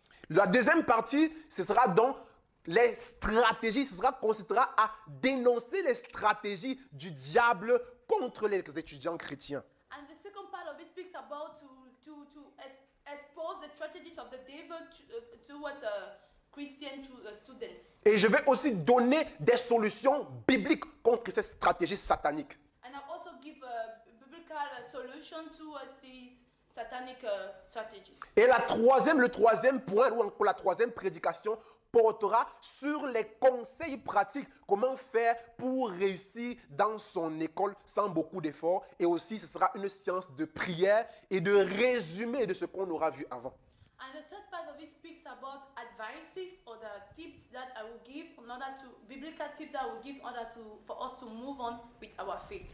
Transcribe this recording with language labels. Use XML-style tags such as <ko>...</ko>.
<fr>La deuxième partie, ce sera donc les stratégies, ce sera consistera à dénoncer les stratégies du diable contre les étudiants chrétiens.</fr> <en>And the second part of it speaks about to expose the strategies of the devil towards Christian students.</en> <fr>Et je vais aussi donner des solutions bibliques contre ces stratégies sataniques.</fr> <en>And I also give a biblical solution towards these satanic strategies.</en> <fr>Et le troisième point ou encore la troisième prédication portera sur les conseils pratiques, comment faire pour réussir dans son école sans beaucoup d'efforts. Et aussi, ce sera une science de prière et de résumé de ce qu'on aura vu avant.</fr> <en>And the third part of it speaks about advices or the tips that I will give in order to, biblical tips that I will give in order to, for us to move on with our faith.</en>